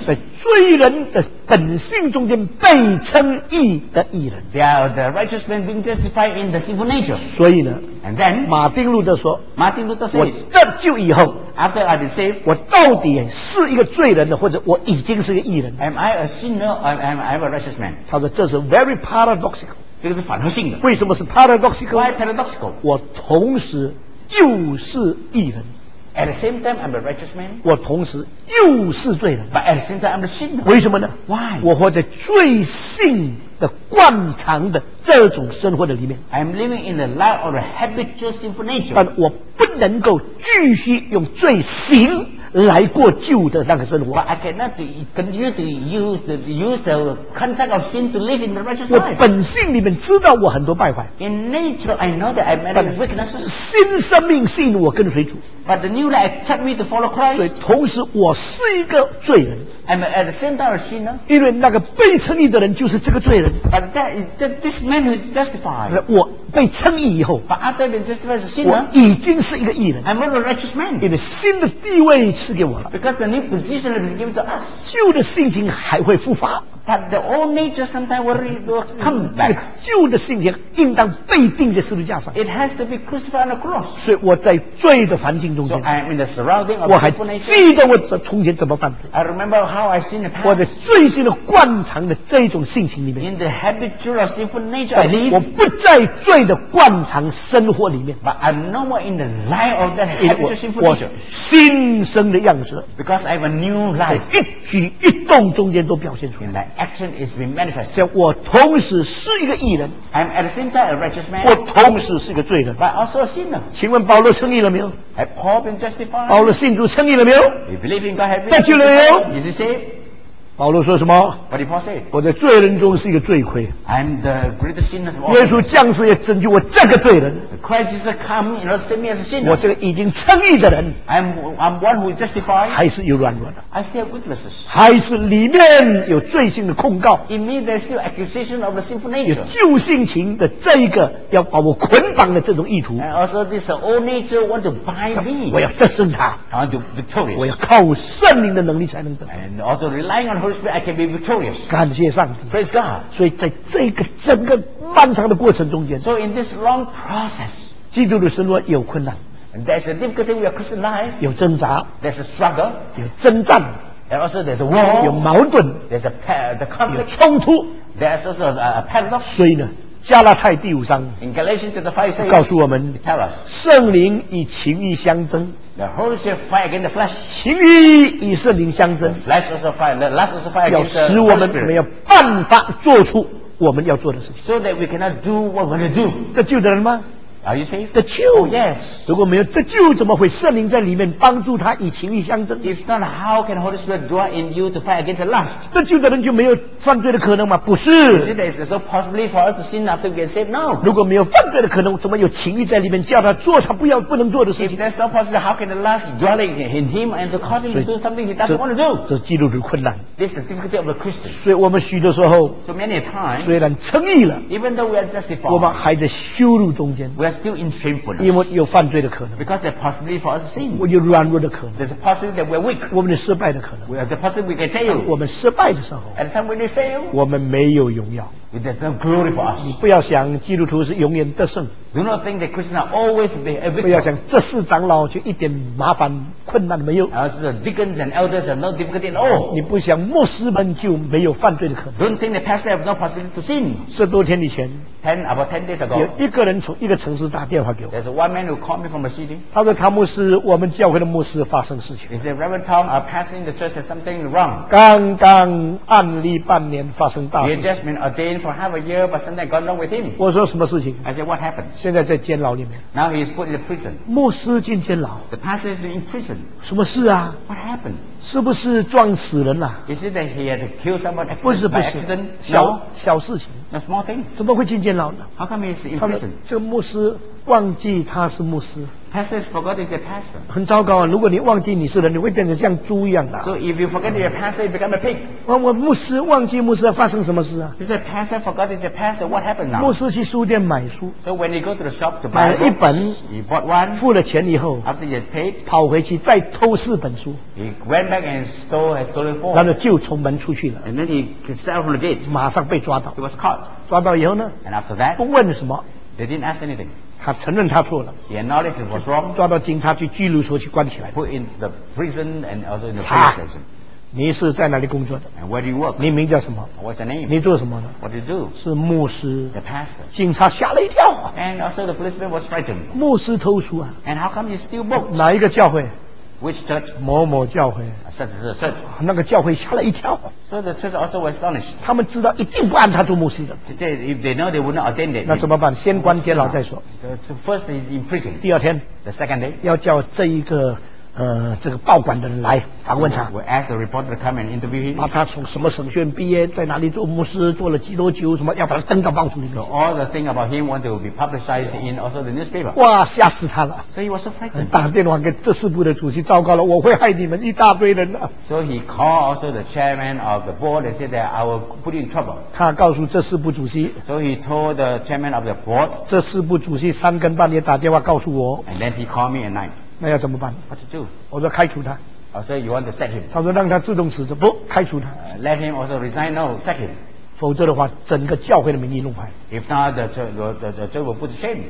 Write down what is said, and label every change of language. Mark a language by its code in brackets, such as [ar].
[zh] 在罪人的本性中间被称义的义人 [en] they are the righteous men being justified in the sinful nature, [zh] 所以呢 [en] and then, [zh] 马丁路德说 [en] Martin Luther says, [zh] 我得救以后 [en] After I've been saved, [zh] 我到底是一个罪人的，或者我已经是个义人 [en] ？Am I a sinner? Or am I a righteous man? [zh] 他说这是 [en] very paradoxical， [zh] 这个是反合性的。为什么是 paradoxical？ [en] Why paradoxical？ [zh] 我同时又是义人 [en] ，at the same time I'm a righteous man， [zh] 我同时又是罪人 [en] ，but at the same time I'm a sinner。 [zh] 为什么呢 [en] ？Why？ [zh] 我活在罪性。的惯常的这种生活的里面 [en] I'm living in the life of a habitual sinful nature [zh] 但我不能够继续用罪行来过旧的那个生活 [en] But I cannot continue to use the contact of sin to live in the righteous life [zh] 我本性里面知道我很多败坏 [en] In nature I know that I have many weaknesses [zh] 新生命吸引我跟随主 [en] But the new life attracts me to follow Christ [zh] 所以同时我是一个罪人 [en] I'm at the same time a sinner [zh] 因为那个被称义的人就是这个罪人 [en] But that is that this man who is justified [zh] 我被称义以后 [en] But after I've been justified as a sinner [zh] 我已经是一个义人 [en] I'm not a righteous man [zh] 因为新的地位赐给我了 [en] Because the new position has been given to us [zh] 旧的性情还会复发 [en] But the old nature sometimes will come back [zh] 旧的性情应当被钉在十字架上 [en] It has to be crucified on the cross [zh] 所以我在罪的环境中间 [en] So I'm in the surrounding of [zh] 我还记得我从前怎么犯罪 [en] I remember how I sinned in the past [zh] 我的罪性的惯常的这种性情里面 [en] In the habitual of sinful nature I live [zh] 我不在罪的惯常生活里面 [en] But I'm no more in the light of that habitual sinful nature [zh] 我新生的样式 [en] Because I have a new life [zh] 一举一动中间都表现出来 [en] My action is being manifested [zh] 所以我同时是一个义人 [en] I'm at the same time a righteous man [zh] 我同时是一个罪人 [en] But also a sinner [zh] 请问保罗称义了没有 [en] Has Paul been justified [zh] 保罗信主称义了没有 [en] You believe in God have been [zh] 得救了没有 [en] Is he saved [zh] 保罗说什么 [en] What did Paul say [zh] 我在罪人中是一个罪魁 [en] I'm the greatest sinner of all [zh] 耶稣降世也拯救我这个罪人 [en] Christ is come and save me as a sinner [zh] 我这个已经称义的人 [en] I'm one who is justified [zh] 还是有软弱的 [en] I still have weaknesses [zh] 还是里面有罪性的控告 [en] In me there's still accusation of the sinful nature [zh] 有旧性情的这一个要把我捆绑的这种意图 [en] And also this old nature want to bind me [zh] 我要得胜他 [en] I want to be victorious [zh] 我要靠圣灵的能力才能得胜 [en] And also relying on Holy Spirit I can be victorious [zh] 感谢上帝 [en] Praise God [zh] 所以在这个整个漫长的过程中间 [en] So in this long process [zh] 基督的生活有困难 [en] And there's a difficulty with your Christian life [zh] 有挣扎 [en] There's a struggle [zh] 有征战 [en] And also there's a war [zh] 有矛盾 [en] There's the conflict [zh] 有冲突 [en] There's also a paradox [zh] 所以呢加拉太第五章 [en] In Galatians chapter 5 says [zh] 告诉我们 [en] Tell us [zh] 圣灵与情欲相争 [en] The Holy Spirit fight against the flesh [zh] 情欲与圣灵相争 [en] The flesh also fight The lust also fight against the [zh] Holy Spirit 要使我们没有办法做出我们要做的事情 [en] So that we cannot do what we want to do [zh] 得救的人吗 [en] Are you saved? [zh] 得救。 [en] Oh, yes. [zh] 如果没有得救，怎么会圣灵在里面帮助他以情欲相争？ [en] If not, how can Holy Spirit draw in you to fight against the lust? [zh] 得救的人就没有犯罪的可能吗？不是。 [en] Is it so possibly for us to sin after we get saved? No. [zh] 如果没有犯罪的可能，怎么有情欲在里面叫他做他不要不能做的事情？ [en] If that's not possible, how can the lust dwell in him and to cause him to do something he doesn't want to do? [zh] 这是基督徒的困难。 [en] This is the difficulty of the Christian. [zh] 所以我们许多时候， [en] so many times, [zh] 虽然称义了， [en] even though we are justified, [zh] 我们还在羞辱中间。 [en] Still in shamefulness, [zh] 因为有犯罪的可能。 [en] Because there's possibility for us to sin. [zh] 我有软弱的可能。 [en] There's a possibility that we're weak. [zh] 我们有失败的可能。 [en] We have the possibility we can fail. [zh] 我们失败的时候。 [en] At the time when we fail. [zh] 我们没有荣耀。 [en] There's no glory for us. [zh] 你不要想基督徒是永远得胜。 [en] Do not think that Christians are always a victor. [zh] 不要想这世长老就一点麻烦困难没有。 [en] As the deacons and elders have no difficulty at all. [zh] 你不想牧师们就没有犯罪的可能。 [en] Don't think the pastor have no possibility to sin. [zh] 十多天以前。 [en] About 10 days ago, [zh] 有一个人从一个城市打电话给我。 [en] There's one man who called me from a city. [zh] 他说：“汤牧师，我们教会的牧师发生事情。 [en] ”He said, "Reverend Tom, our pastor in the church has something wrong." [zh] 刚刚案例半年发生大事。 [en] He had just been ordained for half a year, but something gone wrong with him. [zh] 我说什么事情 [en] ？I said, "What happened?" [zh] 现在在监牢里面。 [en] Now he is put in prison. [zh] 牧师进监牢。 [en] The pastor is in prison. [zh] 什么事啊 [en] ？What happened? [zh] 是不是撞死人了、 [en] 啊、？Is it that he had killed someone accident? [zh] 不是不是， [en] accident? [zh] 小、 [en] no? [zh] 小事情。 [en] A small thing. [zh] 怎么会进监牢呢 [en] ？How come he is in prison? [zh] 这个牧师忘记他是牧师。 [en] Pastor has forgotten he's a pastor. [zh] 很糟糕啊！如果你忘记你是人，你会变成像猪一样的、啊。 [en] So if you forget your pastor, you become a pig. [zh] 我牧师忘记牧师，发生什么事啊 [en] ？He said, "Pastor forgot he's a pastor. What happened now?" [zh] 牧师去书店买书。 [en] So when he go to the shop to buy, [zh] 买了一本 [en] ，he bought one. [zh] 付了钱以后 [en] ，after he paid, [zh] 跑回去再偷四本书。 [en] He went back and stole his golden four. [zh] 然后就从门出去了。 [en] And then he could start from the gate. [zh] 马上被抓到。 [en] He was caught. [zh] 抓到以后呢 [en] ？And after that, [zh] 不问什么 [en] ？They didn't ask anything. [zh] 他承认他错了。 [en] He acknowledged he was wrong. [zh] 抓到警察去拘留所去关起来。 [en] Put in the prison and also in the police station. [zh] 你是在哪里工作的 [en] ？And where do you work? [zh] 你名叫什么 [en] ？What's your name? [zh] 你做什么的 [en] ？What do you do? [zh] 是牧师。 [en] The pastor. [zh] 警察吓了一跳。 [en] And also the policeman was frightened. [zh] 牧师偷书啊。 [en] And how come you steal books? [zh] 哪一个教会 [en] ？Which church? [zh] 某某教会。 [en] Such as a church. [zh] 那个教会吓了一跳。 [en] So the church also was astonished. [zh] 他们知道一定不按他做牧师的。 [en] They said if they know they would not ordain them. [zh] 那怎么办？先关监牢再说。 [en] So first he's in prison. [zh] 第二天 [en] ，the second day， [zh] 要叫这一个这个报馆的人来访问他。 [en] We ask the reporter to come and interview him. [zh] 把他从什么省学院毕业，在哪里做牧师，做了几多久，什么要把他登到报纸里。 [en] So all the thing about him want to be publicized in also the newspaper. [zh] 哇，吓死他了。 [en] So he was so frightened. [zh] 打电话给这事部的主席，糟糕了，我会害你们一大堆人啊。 [en] So he called also the chairman of the board and said that I will put you in trouble. [zh] 他告诉这事部主席。 [en] So he told the chairman of the board. [zh] 这事部主席三更半夜打电话告诉我。 [en] And then he called me at night. [zh] 那要怎么办 [en] ？What to do？ [zh] 我说开除他。 [en] I say you want to sack him。 [zh] 他说让他自动辞职，不开除他。 [en] Let him also resign. No, sack him。 [zh] 否则的话，整个教会的名义弄坏。 [en] If not, the church will put shame。